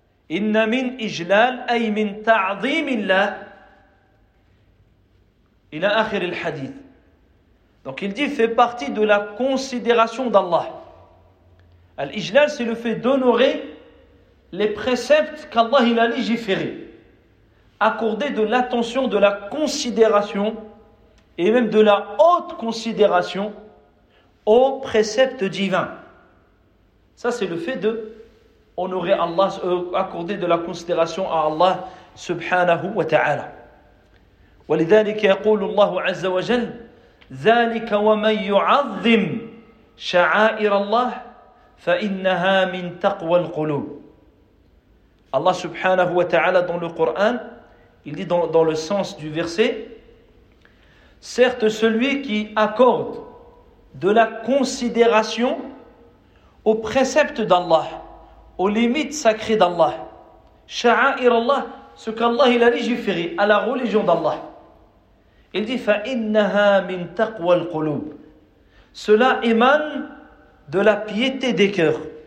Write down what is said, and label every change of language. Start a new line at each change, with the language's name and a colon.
Arabic: إن من إجلال أي من تعظيم الله إلى آخر الحديث.
French: Donc il dit fait partie de la considération d'Allah. L'ijlal c'est le fait d'honorer les préceptes qu'Allah il a légiféré, accorder de l'attention, de la considération et même de la haute considération aux préceptes divins. Ça c'est le fait de honorer Allah, accorder de la considération à Allah subhanahu wa ta'ala.
Arabic: ولذلك يقول الله عز وجل ذلك ومن يعظم شعائر الله فإنها من تقوى القلوب.
French: Allah subhanahu wa ta'ala dans le Coran, il dit dans le sens du verset, certes celui qui accorde de la considération aux préceptes d'Allah, aux limites sacrées d'Allah, sha'a'ir Allah, ce qu'Allah il a légiféré à la religion d'Allah, il dit
Arabic: fa innaha min taqwa al-qulub,
French: cela émane de la piété des cœurs.